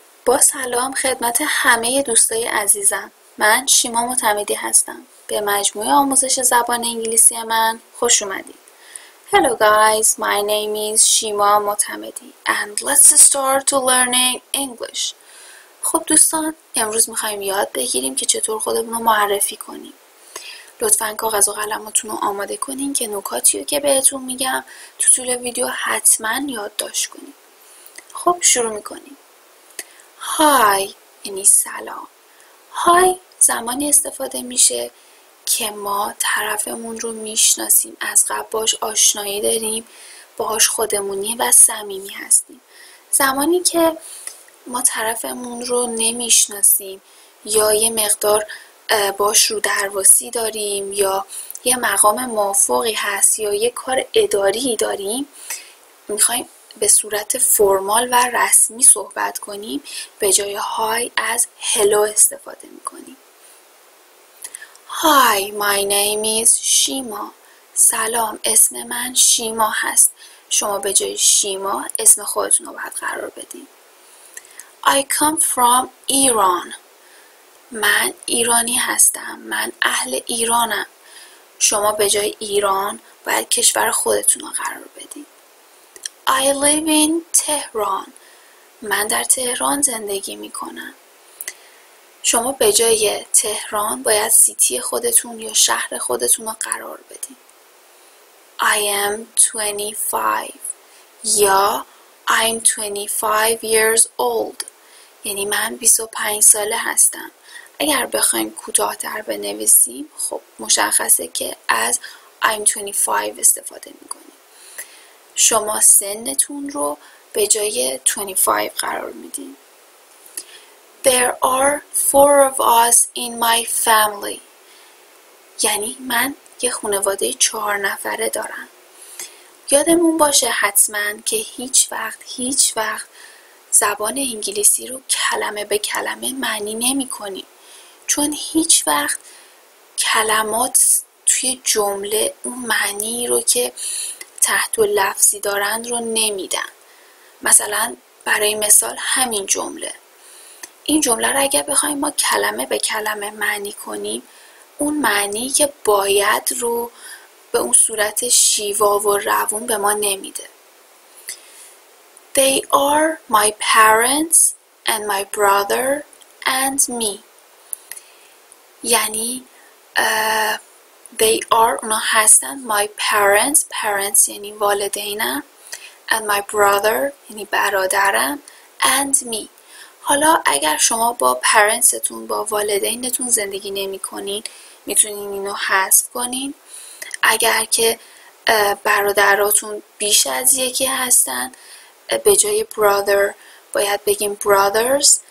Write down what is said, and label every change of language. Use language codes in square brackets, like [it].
[fa] با سلام خدمت همه دوستای عزیزم، من شیما معتمدی هستم. به مجموعه آموزش زبان انگلیسی من خوش اومدید. [en] Hello guys, my name is Shima Motamedi and let's start to learning English. [fa] خب دوستان، امروز میخواییم یاد بگیریم که چطور خودمونو معرفی کنیم. لطفاً کاغذ و قلماتون رو آماده کنین که نکاتی رو که بهتون میگم تو طول ویدیو حتماً یادداشت کنین. خب شروع میکنیم. های یعنی سلام. های زمانی استفاده میشه که ما طرفمون رو میشناسیم، از قبل باش آشنایی داریم، باهاش خودمونی و صمیمی هستیم. زمانی که ما طرفمون رو نمیشناسیم یا یه مقدار باش رو درواسی داریم یا یه مقام موافقی هست یا یه کار اداری داریم، میخواییم به صورت فرمال و رسمی صحبت کنیم، به جای های از هلو استفاده میکنیم. [en] Hi, my name is Shima. [fa] سلام، اسم من شیما هست. شما به جای شیما اسم خودتون رو باید قرار بدین. [en] I come from Iran. [fa] من ایرانی هستم، من اهل ایرانم. شما به جای ایران باید کشور خودتون رو قرار بدین. [en] I live in Tehran. [fa] من در تهران زندگی می کنم. شما به جای تهران باید سیتی خودتون یا شهر خودتون رو قرار بدین. [en] I am 25. یا I'm 25 years old. [fa] یعنی من 25 ساله هستم. اگر بخوایم کوتاه‌تر بنویسیم، خب مشخصه که از [en] I'm 25 [fa] استفاده می کنیم. شما سنتون رو به جای 25 قرار میدین. [en] There are 4 of us in my family. [fa] یعنی من یه خانواده 4 نفره دارم. یادمون باشه حتما که هیچ وقت زبان انگلیسی رو کلمه به کلمه معنی نمی کنیم. چون هیچ وقت کلمات توی جمله اون معنی رو که تحت و لفظی دارن رو نمیدن. مثلا برای مثال همین جمله. این جمله رو اگر بخوایم ما کلمه به کلمه معنی کنیم، اون معنی که باید رو به اون صورت شیوا و روون به ما نمیده. [en] They are my parents and my brother and me. [fa] یعنی [en] They are [fa] اونا هستن. [en] My parents [fa] یعنی والدینم. [en] And my brother [fa] یعنی برادرم. [en] And me. [fa] حالا اگر شما با parentsتون، با والدینتون زندگی نمی کنین، میتونین اینو حذف کنین. اگر که برادراتون بیش از یکی هستن، به جای brother باید بگین brothers.